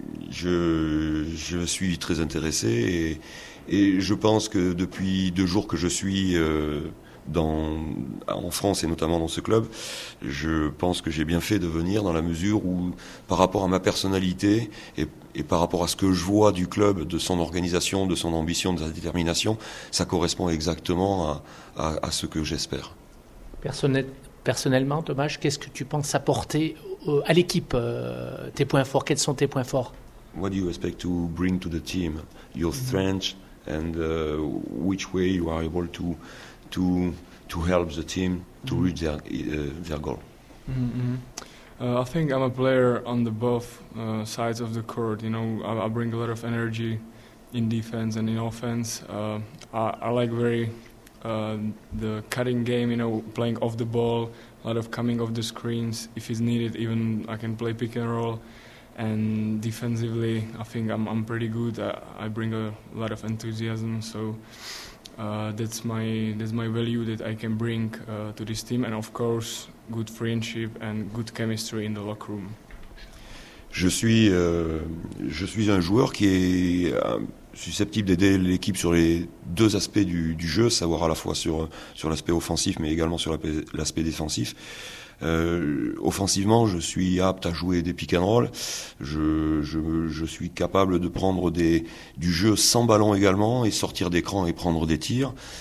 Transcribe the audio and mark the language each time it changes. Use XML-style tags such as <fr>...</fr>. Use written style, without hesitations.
<fr>Je suis très intéressé et je pense que depuis 2 jours que je suis en France et notamment dans ce club, je pense que j'ai bien fait de venir dans la mesure où, par rapport à ma personnalité et par rapport à ce que je vois du club, de son organisation, de son ambition, de sa détermination, ça correspond exactement à ce que j'espère. Personnellement, Thomas, qu'est-ce que tu penses apporter à l'équipe, tes points forts? Quels sont tes points forts?</fr> <en>What do you expect to bring to the team? Your strength and which way you are able to help the team to reach their goal? I think I'm a player on the both sides of the court. You know, I bring a lot of energy in defense and in offense. I like very the cutting game, you know, playing off the ball, a lot of coming off the screens. If it's needed, even I can play pick and roll. And defensively, I think I'm pretty good. I bring a lot of enthusiasm. So that's my value that I can bring to this team. And of course, good friendship and good chemistry in the locker room.</en> <fr>Je suis un joueur qui est susceptible d'aider l'équipe sur les deux aspects du jeu, savoir à la fois sur l'aspect offensif, mais également sur l'aspect défensif. Offensivement, je suis apte à jouer des pick and roll. Je suis capable de prendre du jeu sans ballon également et sortir d'écran et prendre des tirs.</fr>